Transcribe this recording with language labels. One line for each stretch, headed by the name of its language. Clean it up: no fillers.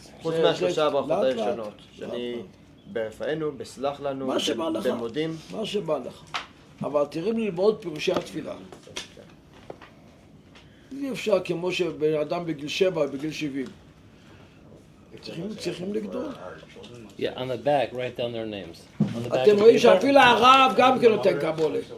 Hebrew: חוץ מהשלושה הברכות הראשונות. שאני ברפאנו, בסלח לנו, במודים. מה שבא לך. אבל תראים ללמוד פירושי התפילה. אי אפשר כמו שבן אדם בגיל 7, בגיל 70. צריכים לגדול.
English: Yeah, on the back, write down their names.
Hebrew: אתם רואים שאפילו הרב גם כן נותן קבולה.